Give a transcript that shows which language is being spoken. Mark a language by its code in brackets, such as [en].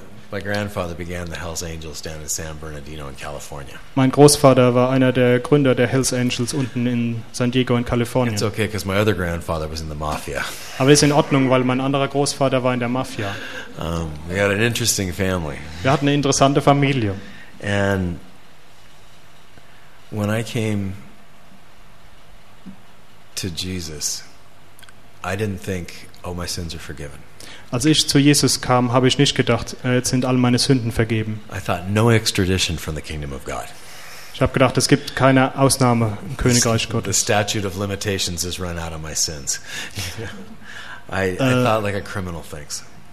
[en] My grandfather began the Hell's Angels down in San Bernardino in California. [de] Mein Großvater war einer der Gründer der Hell's Angels unten in San Diego in Kalifornien. [en] It's okay, because my other grandfather was in the Mafia. [de] Aber ist in Ordnung, weil mein anderer Großvater war in der Mafia. [en] We had an interesting family. [de] Wir hatten eine interessante Familie. [en] And when I came to Jesus, I didn't think, "Oh, my sins are forgiven." [de] Als ich zu Jesus kam, habe ich nicht gedacht, jetzt sind all meine Sünden vergeben. [en] I thought, no extradition from the kingdom of God. [de] Ich habe gedacht, es gibt keine Ausnahme im Königreich Gottes. [en] The statute of limitations has run out on my sins. I thought like a criminal thinks.